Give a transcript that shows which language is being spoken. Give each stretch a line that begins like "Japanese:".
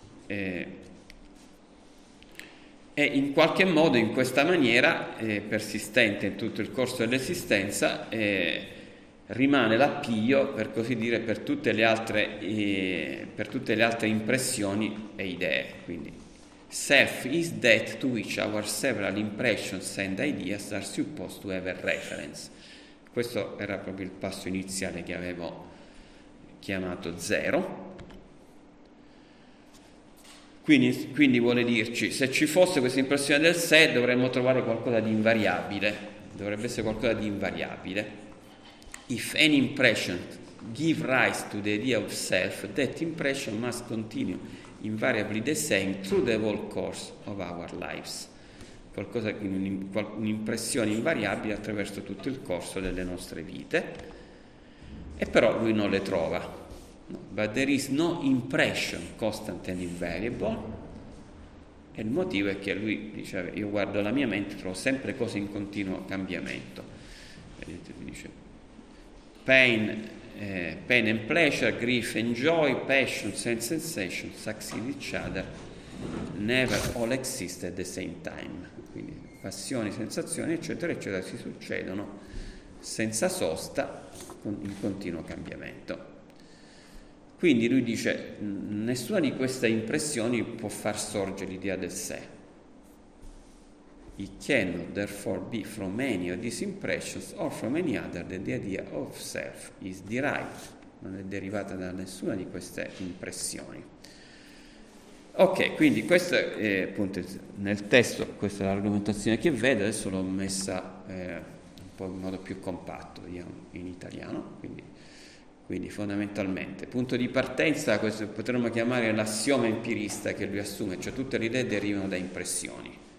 Italian: e in qualche modo, in questa maniera, persistente in tutto il corso dell'esistenza, rimane l'appiglio, per così dire, per tutte le altre impressioni e idee.
English: Quindi self is that to which our several impressions and ideas are supposed to have a reference.
Italian: Questo era proprio il passo iniziale che avevo chiamato zero. Quindi vuole dirci, se ci fosse questa impressione del sé, dovremmo trovare qualcosa di invariabile. Dovrebbe essere qualcosa di invariabile.
English: If any impression give rise to the idea of self, that impression must continue invariably the same through the whole course of our lives.
Italian: Qualcosa, un'impressione invariabile attraverso tutto il corso delle nostre vite. E però lui non le trova. No.
English: But there is no impression constant and invariable.
Italian: E il motivo è che lui dice, io guardo la mia mente, trovo sempre cose in continuo cambiamento. Vedete, mi dice,
English: pain and pleasure, grief and joy, passion and sensation succeed each other, never all exist at the same time.
Italian: Quindi passioni, sensazioni, eccetera, eccetera, si succedono senza sosta, con il continuo cambiamento. Quindi lui dice, nessuna di queste impressioni può far sorgere l'idea del sé.
English: It cannot therefore be from any of these impressions or from any other that the idea of self is derived.
Italian: Non è derivata da nessuna di queste impressioni. Ok, quindi questo è appunto nel testo, questa è l'argomentazione che vedo, adesso l'ho messa un po' in modo più compatto, diciamo, in italiano. Quindi Quindi fondamentalmente, punto di partenza, questo potremmo chiamare l'assioma empirista che lui assume, cioè tutte le idee derivano da impressioni.